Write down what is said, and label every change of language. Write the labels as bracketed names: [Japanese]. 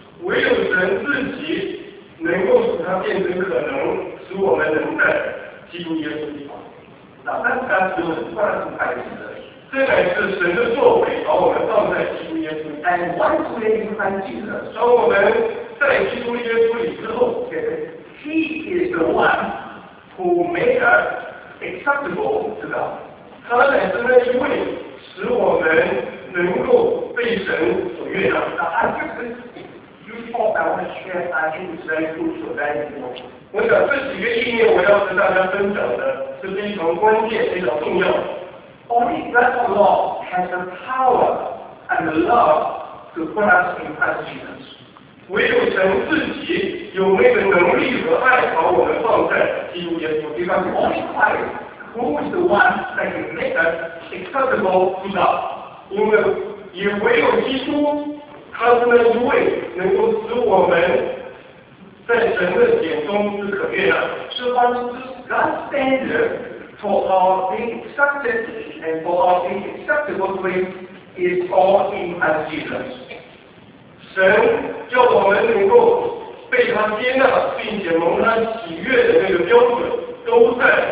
[Chinese] 唯有神自己能够使他变成可能，使我们能在基督耶稣里。那当然是万分开心的。这乃是神的作为，把我们放在基督耶稣里。 [English] And once we are in Christ Jesus, [Chinese] 当我们在基督耶稣里之后 [English] ，He is the one who made us acceptable to God. [Chinese] 他乃是那一位使我们能够被神所悦纳。 [English] I think this useful I want to share. I think it's very crucial, very important. [Chinese] 我想这几个意念我要跟大家分享的是非常关键、非常重要。 [English] Only God alone has the power and the love to put us in Christ Jesus. [Chinese] 唯有神自己有那个能力和爱，把我们放在基督耶稣。 [English] Because only Christ. Who is the one that can make us acceptable to God? [Chinese] 因为也唯有基督，他是那一位能够使我们在神的眼中是可悦的。 [English] So what is God's standard for our being accepted and for our being acceptable to Him is all in Christ Jesus. [Chinese] 神叫我们能够被他接纳，并且蒙他喜悦的那个标准，都在。